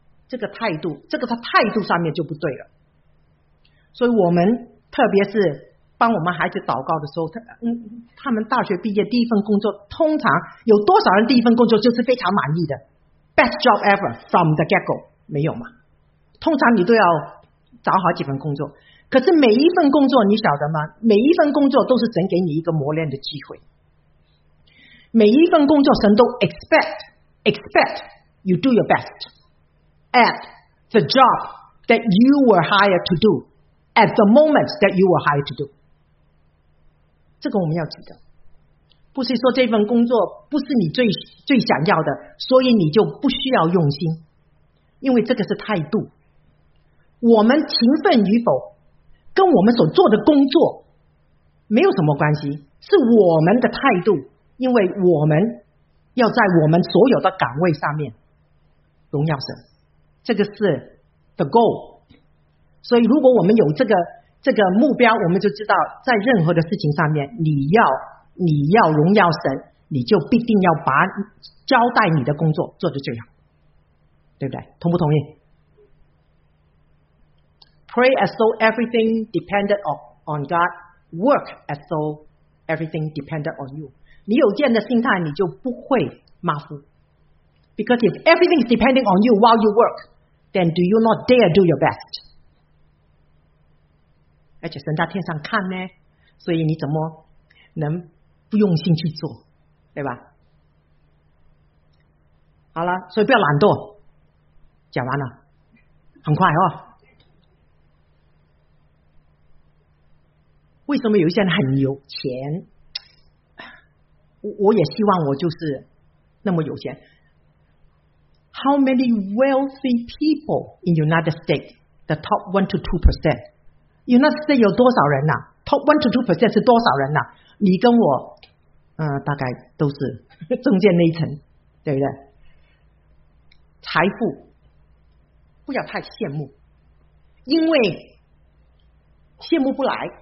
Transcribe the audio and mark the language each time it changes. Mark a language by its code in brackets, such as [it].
[zh] 这个态度上面就不对了。所以我们特别是帮我们孩子祷告的时候， 他们大学毕业第一份工作，通常有多少人第一份工作就是非常满意的， [en] Best job ever from the get-go， [zh] 没有嘛？通常你都要找好几份工作，可是每一份工作你晓得吗？每一份工作都是神给你一个磨练的机会，每一份工作神都 [en] expect you do your best at the job that you were hired to do at the moment that you were hired to do。 [zh] 这个我们要记得，不是说这份工作不是你最想要的，所以你就不需要用心，因为这个是态度。我们勤奋与否跟我们所做的工作没有什么关系，是我们的态度，因为我们要在我们所有的岗位上面荣耀神，这个是 the goal。所以如果我们有这个目标，我们就知道在任何的事情上面你要荣耀神，你就必定要把交代你的工作做得最好，对不对？同不同意？ [en] Pray as though everything depended on God. Work as though everything depended on you. [zh] 你有这样的心态，你就不会马虎。 [en] Because if everything is depending on you while you work, then do you not dare do your best? [zh] 而且神在天上看呢，所以你怎么能不用心去做，对吧？好了，所以不要懒惰。讲完了，很快哦。为什么有一些人很有钱？我也希望我就是那么有钱。 [en] How many wealthy people in United States? The top 1-2%. [zh] United States 有多少人呐、啊、？Top 1-2% 是多少人呐、啊？你跟我，大概都是中间那一层，对不对？财富不要太羡慕，因为羡慕不来。